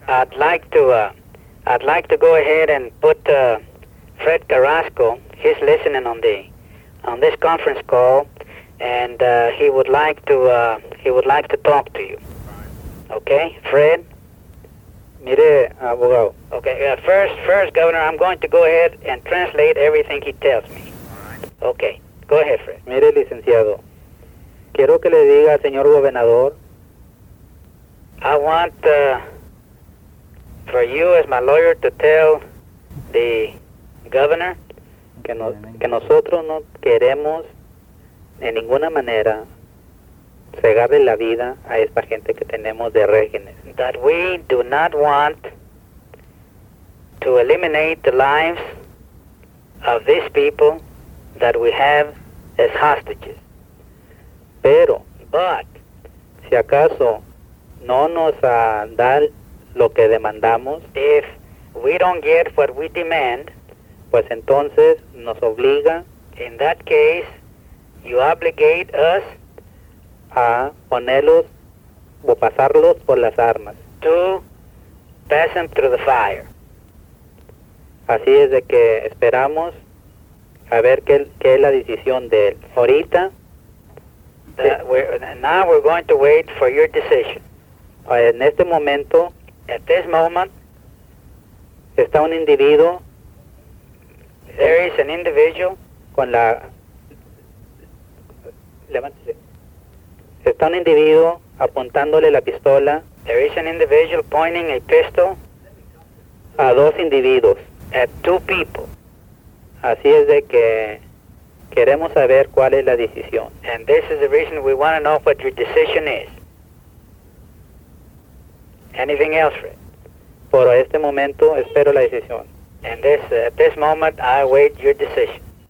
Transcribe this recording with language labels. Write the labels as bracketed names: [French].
[English] I'd like to go ahead and put Fred Carrasco, he's listening on this conference call, and he would like to talk to you. Okay, Fred? [Spanish] Mire, abogado. [English] Okay, first, Governor, I'm going to go ahead and translate everything he tells me. Okay, go ahead, Fred. [Spanish] Mire, licenciado, quiero que le diga al señor gobernador. [English] I want for you as my lawyer to tell the governor [Spanish] que nosotros no queremos de ninguna manera cegarle la vida a esta gente que tenemos de regímenes. [English] That we do not want to eliminate the lives of these people that we have as hostages. [Spanish] Pero, [English] but, [Spanish] si acaso no nos da lo que demandamos, [English] if we don't get what we demand, [Spanish] pues entonces nos obliga. [English] In that case, you obligate us [Spanish] a ponerlos o pasarlos por las armas. [English] To pass them through the fire. [Spanish] Así es de que esperamos a ver qué es la decisión de él. Ahorita. [English] Now we're going to wait for your decision. [Spanish] En este momento. [English] At this moment. [Spanish] Está un individuo. [English] There is an individual. [Spanish] Con la. Levántese. Está un individuo apuntándole la pistola. [English] There is an individual pointing a pistol. [Spanish] A dos individuos. [English] At two people. [Spanish] Así es de que queremos saber cuál es la decisión. [English] And this is the reason we want to know what your decision is. Anything else, Fred? [Spanish] Por este momento espero la decisión. [English] And this, at this moment, I await your decision.